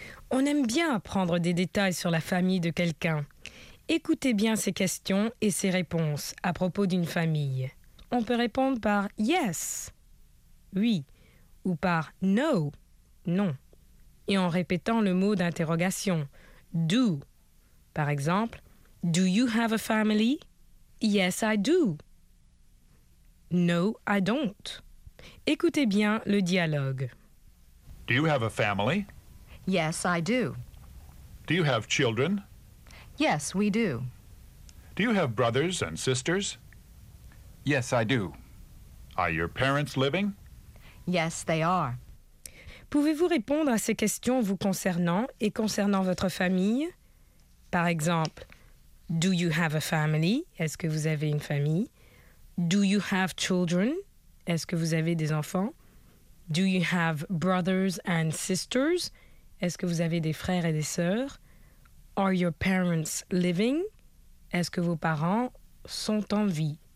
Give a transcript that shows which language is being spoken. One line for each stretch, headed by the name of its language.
French: On aime bien apprendre des détails sur la famille de quelqu'un. Écoutez bien ses questions et ses réponses à propos d'une famille. On peut répondre par « yes ». Oui, ou par no, non, et en répétant le mot d'interrogation,
English: do.
French: Par exemple,
English: do you have a family? Yes, I do. No, I don't.
French: Écoutez bien le dialogue.
English: Do you have a family? Yes, I do. Do you have children? Yes, we do. Do you have brothers and sisters? Yes, I do. Are your parents living? Yes, they are.
French: Pouvez-vous répondre à ces questions vous concernant et concernant votre famille? Par exemple,
English: do you have a family?
French: Est-ce que vous avez une famille?
English: Do you have children?
French: Est-ce que vous avez des enfants?
English: Do you have brothers and sisters?
French: Est-ce que vous avez des frères et des sœurs?
English: Are your parents living?
French: Est-ce que vos parents sont en vie?